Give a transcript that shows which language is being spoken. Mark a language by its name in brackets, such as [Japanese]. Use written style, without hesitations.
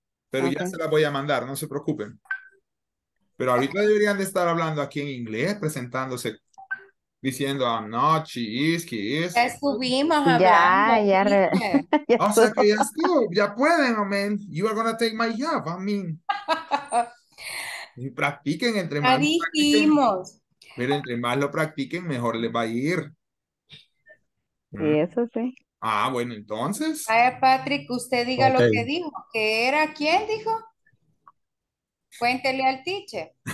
[Spanish] Pero okay. Ya se las voy a mandar, no se preocupen. Pero ahorita deberían de estar hablando aquí en inglés, presentándose, diciendo, [English] I'm not, she is, he is. [Spanish] Ya estuvimos hablando. Ya. O sea que ya estuvo, ya pueden, [English] oh man. You are gonna take my job, I mean. [Spanish] Y practiquen entre más. Ya dijimos. Pero entre más lo practiquen, mejor les va a ir. Sí, eso sí. Ah, bueno, entonces. Ay, Patrick, usted diga okay. Lo que dijo. ¿Qué era? ¿Quién dijo? Cuéntele al teacher.